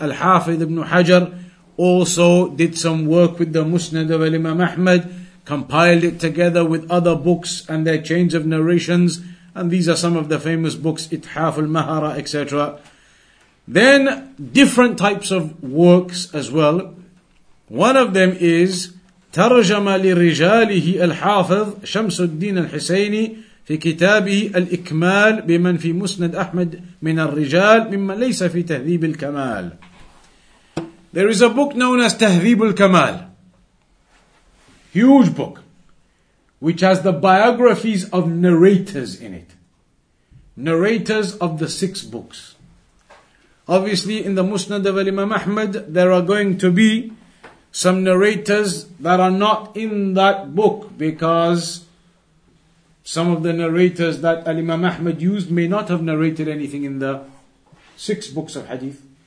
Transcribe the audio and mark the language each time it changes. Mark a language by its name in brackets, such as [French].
[English] Al-Hafidh ibn Hajar also did some work with the Musnad of Imam Ahmad, compiled it together with other books and their chains of narrations. And these are some of the famous books, Ithaf al-Mahara, etc. Then different types of works as well. One of them is Tarjama li-Rijalihi al-Hafidh Shamsuddin al-Husayni [Arabic] في كتابه الإكمال بمن في مسند أحمد من الرجال مما ليس في تهذيب الكمال. [English] There is a book known as تهذيب الكمال. Huge book, which has the biographies of narrators in it. Narrators of the six books. Obviously, in the Musnad of Imam Ahmad, there are going to be some narrators that are not in that book, because some of the narrators that Al-Imam Ahmad used may not have narrated anything in the six books of hadith.